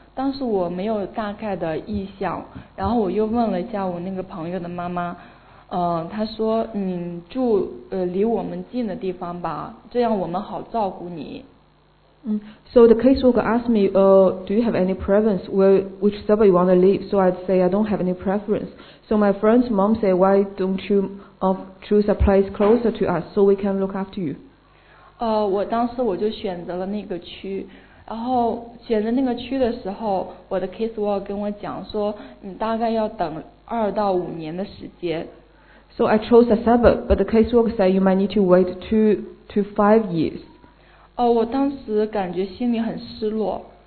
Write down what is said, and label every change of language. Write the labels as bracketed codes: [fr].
[zh] 当时我没有大概的意向，然后我又问了一下我那个朋友的妈妈，她说你住离我们近的地方吧，这样我们好照顾你。 [en] So the caseworker asked me, do you have any preference? Which suburb you want to live? So I say I don't have any preference. So my friend's mom say, why don't you choose a place closer to us so we can look after you? [zh] 我当时我就选择了那个区。然后选择那个区的时候，我的 caseworker 跟我讲说，你大概要等2到5年的时间。 [en] So I chose a suburb, but the caseworker said you might need to wait two to five years. [zh] 我当时感觉心里很失落。